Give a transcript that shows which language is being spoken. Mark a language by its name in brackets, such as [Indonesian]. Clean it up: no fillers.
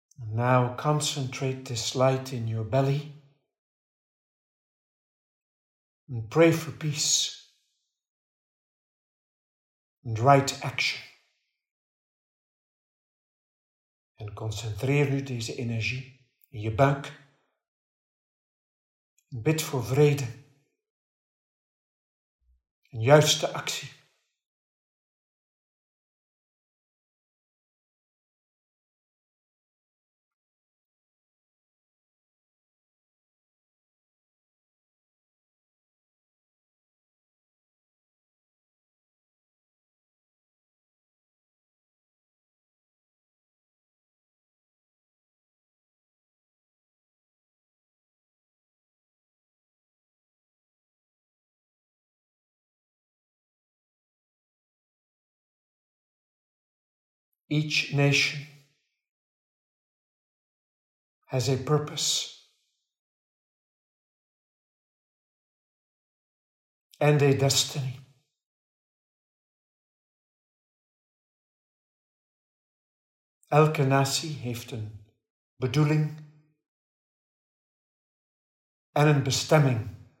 [English] Now concentrate this light in your belly and pray for peace and right action. [Dutch] En concentreer nu deze energie in je buik. Bid voor vrede en juiste actie. [English] Each nation has a purpose and a destiny. [Dutch] Elke natie heeft een bedoeling en een bestemming.